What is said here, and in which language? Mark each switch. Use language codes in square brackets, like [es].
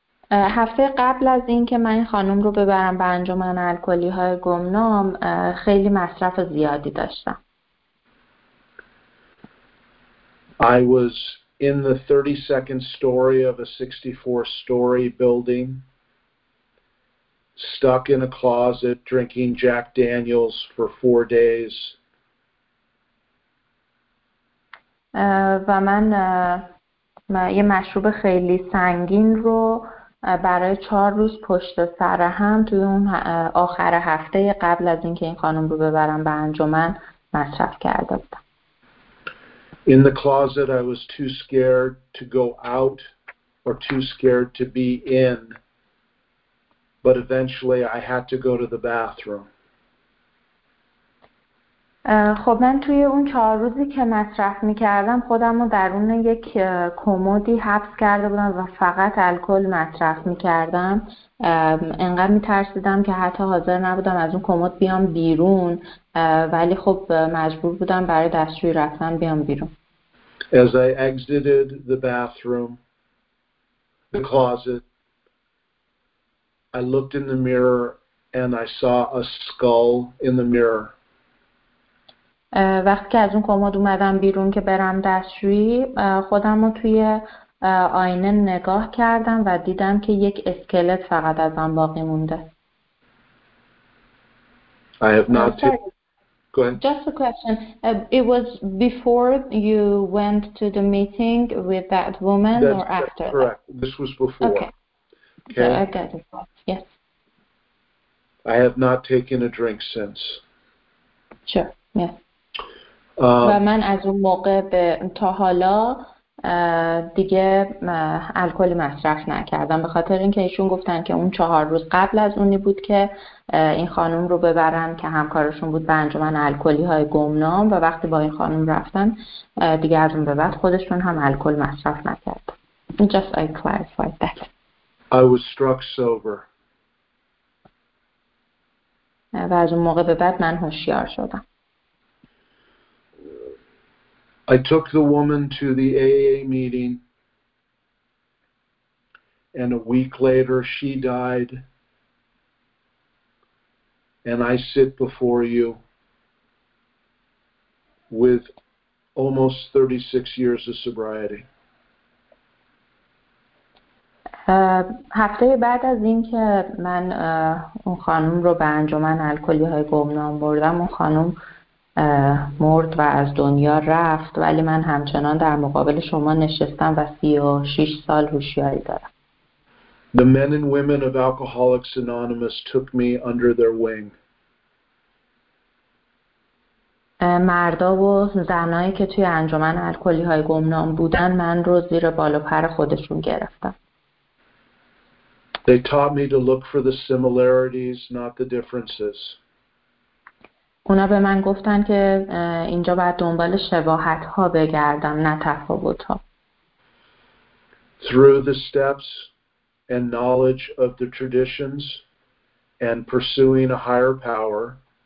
[fa] هفته قبل از این که من خانم رو ببرم به انجمن الکلی های گمنام خیلی مصرف زیادی داشتم. [en] I was in the 32nd story of a 64 story building, stuck in a closet drinking Jack Daniels for 4 days. [fa] و من یه مشروب خیلی سنگین رو برای 4 روز پشت سر هم توی اون آخر هفته قبل از اینکه این خانم رو ببرم به انجمن مصرف کرده بودم. [en] In the closet I was too scared to go out or too scared to be in, but eventually I had to go to the bathroom. [fa] خب من توی اون 4 روزی که مصرف می‌کردم خودم رو درون یک کمدی حبس کرده بودم و فقط الکل مصرف می‌کردم. انقدر می‌ترسیدم که حتی حاضر نبودم از اون کمد بیام بیرون، ولی خب مجبور بودم برای دستشویی رفتن بیام بیرون. [en] As I exited the bathroom, the closet, I looked in the mirror and I saw a skull in the mirror. [fa] وقتی که از اون کمد اومدم بیرون که برم دستشویی خودم رو توی آینه نگاه کردم و دیدم که یک اسکلت فقط از آن باقی مونده. [en] I have not Go ahead. Just a question. It was before you went to the meeting with that woman that's, or after? That's correct. This was before. Okay. So I got it. Yes. I have not taken a drink since. Sure. Yes. [fa] و من از اون موقع به تا حالا دیگه الکلی مصرف نکردم به خاطر اینکه ایشون گفتن که اون 4 روز قبل از اونی بود که این خانم رو ببرن که همکارشون بود به انجمن الکلی های گمنام و وقتی با این خانم رفتن دیگه از اون به بعد خودشون هم الکل مصرف نکرد. [en] Just I clarified that. I was struck sober. [fa] و از اون موقع به بعد من هوشیار شدم. [en] I took the woman to the AA meeting, and a week later she died, and I sit before you with almost 36 years of sobriety. [fa] هفته بعد از اینکه من اون خانم رو به انجمن الکلی های گمنام بردم اون خانم مرد و از دنیا رفت ولی من همچنان در مقابل شما نشستم و 36 سال هوشیاری دارم. [en] The men and women of Alcoholics Anonymous took me under their wing. [fa] مردا و زنایی که توی انجمن الکلی های گمنام بودن من رو زیر بال و پر خودشون گرفتن. [en] They taught me to look for the similarities, not the differences. [fa] اونا به من گفتن که اینجا باید دنبال شباهت ها بگردم نه تفاوت ها. [en] Through the steps and knowledge of the traditions and pursuing a higher power.